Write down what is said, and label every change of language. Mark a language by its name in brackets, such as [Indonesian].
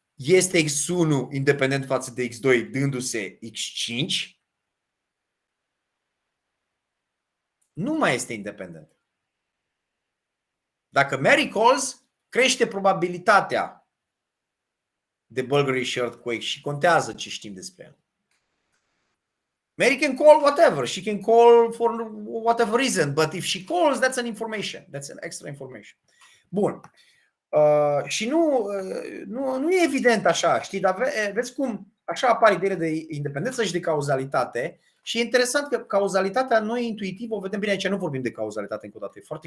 [Romanian] este X1 independent față de X2 dându-se X5? Nu mai este independent. Dacă Mary calls, crește probabilitatea de Bulgarian earthquake și contează ce știm despre el. [English] Mary can call whatever. She can call for whatever reason. But if she calls, that's an information. That's an extra information. [Romanian] Bun. Și nu e evident așa, știi, dar vezi cum așa apare ideea de independență și de cauzalitate. Și e interesant că cauzalitatea noi intuitiv o vedem bine aici, nu vorbim de cauzalitate încă o dată.